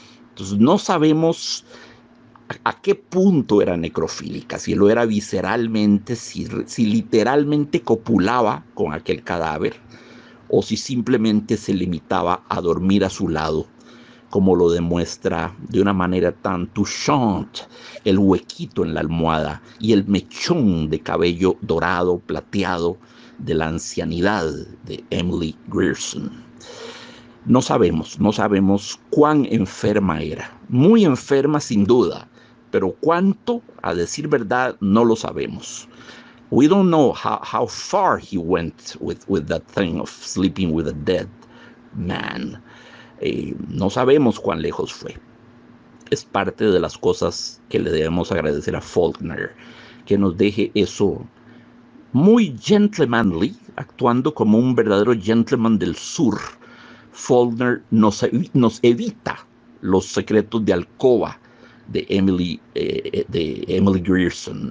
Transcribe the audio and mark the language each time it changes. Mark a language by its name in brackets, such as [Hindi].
[Spanish] Entonces no sabemos a qué punto era necrofílica, si lo era visceralmente, si literalmente copulaba con aquel cadáver o si simplemente se limitaba a dormir a su lado, como lo demuestra de una manera tan touchante el huequito en la almohada y el mechón de cabello dorado, plateado, de la ancianidad de Emily Grierson. No sabemos cuán enferma era. Muy enferma, sin duda, pero cuánto, a decir verdad, no lo sabemos. [English] We don't know how far he went with that thing of sleeping with a dead man. [Spanish] No sabemos cuán lejos fue. Es parte de las cosas que le debemos agradecer a Faulkner, que nos deje eso muy gentlemanly, actuando como un verdadero gentleman del sur. Faulkner nos evita los secretos de alcoba de Emily Grierson.